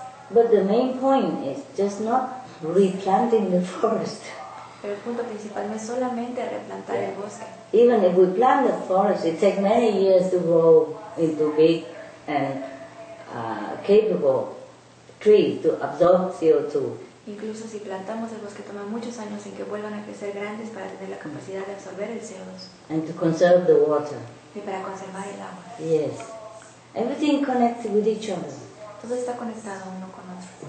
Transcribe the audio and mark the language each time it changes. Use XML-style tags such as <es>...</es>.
<en>But the main point is just not replanting the forest.</en> <es>Pero el punto principal no es solamente replantar el bosque.</es> <en>Even if we plant the forest, it takes many years to grow into big and capable tree to absorb CO2.</en> <es>Incluso si plantamos el bosque, toma muchos años en que vuelvan a crecer grandes para tener la capacidad de absorber el CO2.</es> <en>And to conserve the water.</en> <es>Y para conservar el agua.</es> <en>Yes. Everything connected with each other.</en> <es>Todo está conectado uno con otro.</es>